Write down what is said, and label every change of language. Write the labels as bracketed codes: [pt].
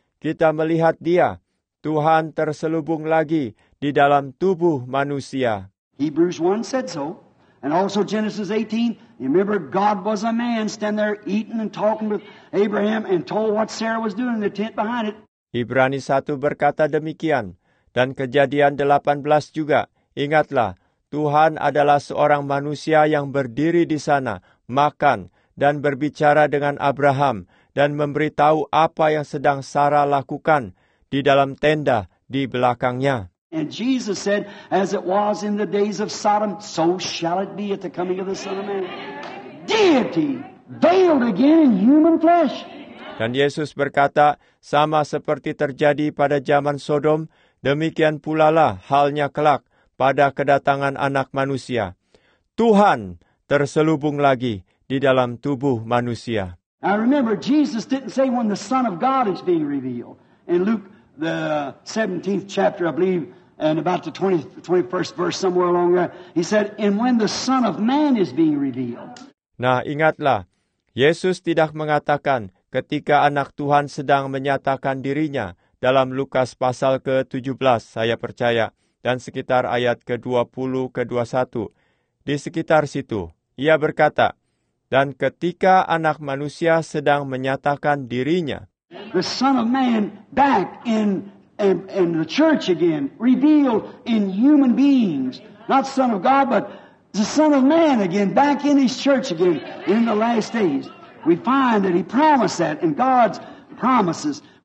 [id] Kita melihat dia, Tuhan terselubung lagi di dalam tubuh manusia. [en] Hebrews 1 said so, and also Genesis 18, you remember God was a man standing there eating and talking with Abraham and told what Sarah was doing in the tent behind it. [id] Ibrani 1 berkata demikian, dan Kejadian 18 juga, ingatlah, Tuhan adalah seorang manusia yang berdiri di sana, makan, dan berbicara dengan Abraham, dan memberitahu apa yang sedang Sarah lakukan di dalam tenda di belakangnya. [en] And Jesus said, as it was in the days of Sodom, so shall it be at the coming of the Son of Man. Deity, veiled again in human flesh. [id] Dan Yesus berkata, sama seperti terjadi pada zaman Sodom, demikian pulalah halnya kelak pada kedatangan Anak Manusia. Tuhan terselubung lagi di dalam tubuh manusia. [en] Now remember, Jesus didn't say when the Son of God is being revealed. In Luke, the 17th chapter, I believe, and about the 21st verse, somewhere along there, he said, and when the Son of Man is being revealed. [id] Nah, ingatlah, Yesus tidak mengatakan, ketika Anak Tuhan sedang menyatakan dirinya dalam Lukas pasal ke-17, saya percaya, dan sekitar ayat ke-20, ke-21. Di sekitar situ, ia berkata, dan ketika Anak Manusia sedang menyatakan dirinya, [en] the Son of Man back in the church again, revealed in human beings, not Son of God, but the Son of Man again, back in his church again, in the last days. We find that he promised that in God's promises.